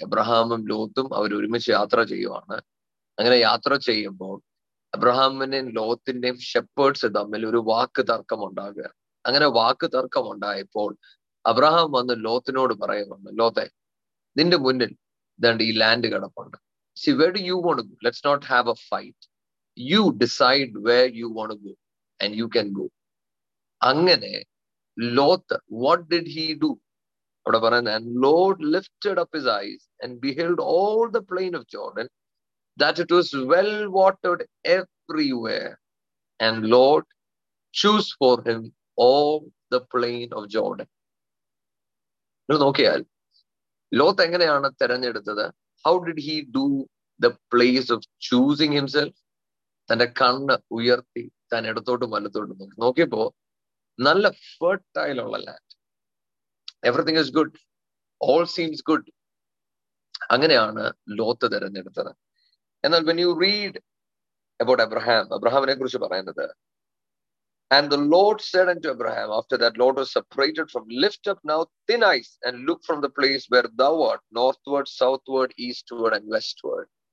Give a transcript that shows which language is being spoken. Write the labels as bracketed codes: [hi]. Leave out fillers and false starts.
[ml] അബ്രഹാമും ലോത്തും അവർ ഒരുമിച്ച് യാത്ര ചെയ്യുവാണ്. അങ്ങനെ യാത്ര ചെയ്യുമ്പോൾ അബ്രഹാമിനെയും ലോത്തിന്റെയും ഷെപ്പേർഡ്സ് തമ്മിൽ ഒരു വാക്ക് തർക്കം ഉണ്ടാകുക. അങ്ങനെ വാക്ക് തർക്കം ഉണ്ടായപ്പോൾ അബ്രഹാം വന്ന് ലോത്തിനോട് പറയുന്നു, ലോത്തെ നിന്റെ മുന്നിൽ ദണ്ട് ഈ ലാൻഡ് കിടപ്പുണ്ട്. [en] See, where do you want to go? Let's not have a fight. You decide where you want to go and you can go. [ml] Angane [en] Lot, what did he do? And Lord lifted up his eyes and beheld all the plain of Jordan, that it was well watered everywhere. And Lord chose for him all the plain of Jordan. Okay, Lot [ml] engenaana theranjedutathu? [en] How did he do the place of choosing himself? [ml] തന്റെ കണ്ണ് ഉയർത്തി തന്നെ ഇടത്തോട്ടും വലത്തോട്ടും നോക്കി നോക്കിയപ്പോ നല്ല fertile ഉള്ള land, [en] Everything is good, all seems good. [ml] അങ്ങനെയാണ് ലോത്ത് തിരഞ്ഞെടുത്തത്. എന്നാൽ [en] when you read about Abraham, [ml] അബ്രഹാമിനെ കുറിച്ച് പറയുന്നത്, [en] And the lord said unto Abraham after that lord was separated from, lift up now thine eyes and look from the place where thou art, northward, southward, eastward and westward.